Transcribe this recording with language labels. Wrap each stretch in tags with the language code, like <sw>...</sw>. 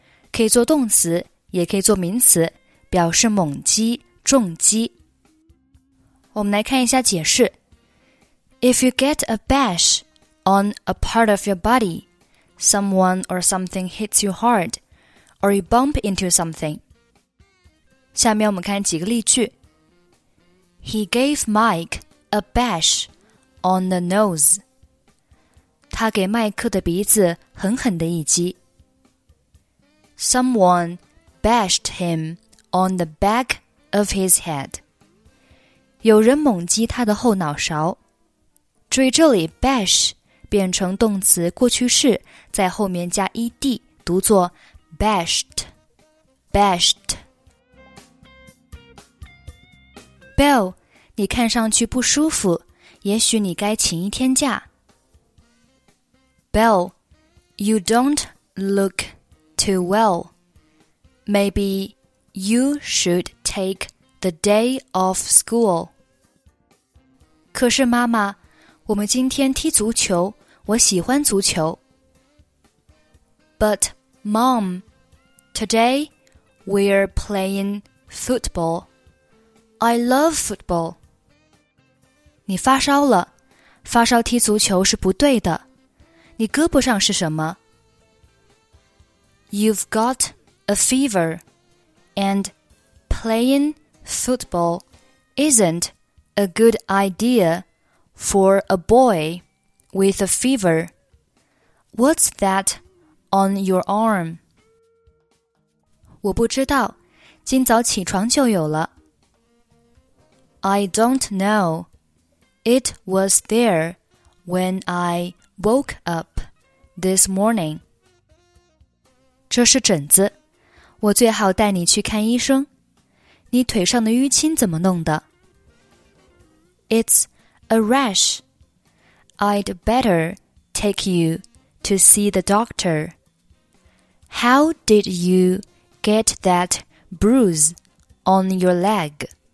<zh>可以做动词，也可以做名词，表示猛击、重击。我们来看一下解释。</zh> <en>If you get a bash on a part of your body, someone or something hits you hard, or you bump into something.</en> <zh>下面我们看几个例句。</zh> <en>He gave Mike a bash on the nose.</en> <zh>他给麦克的鼻子狠狠的一击。</zh> <en>Someone bashed him on the back of his head.</en> <zh>有人猛击他的后脑勺。注意这里 bash 变成动词过去式，在后面加 ed， 读作 bashed， bashed。 Bill， 你看上去不舒服，也许你该请一天假。</zh> <en>Bill， you don't look too well. Maybe you should take the day off school.</en> <zh>可是妈妈，我们今天踢足球，我喜欢足球。</zh> <en>But mom, today we're playing football. I love football.</en> <zh>你发烧了，发烧踢足球是不对的。你胳膊上是什么？</zh> <en>You've got a fever, and playing football isn't a good idea. For a boy with a fever, what's that on your arm?</en> <zh>我不知道，今早起床就有了。</zh> <en>I don't know. It was there when I woke up this morning.</en> <zh>这是疹子，我最好带你去看医生。你腿上的淤青怎么弄的？</zh> <en>It's... A rash. I'd better take you to see the doctor. How did you get that bruise on your leg?</en>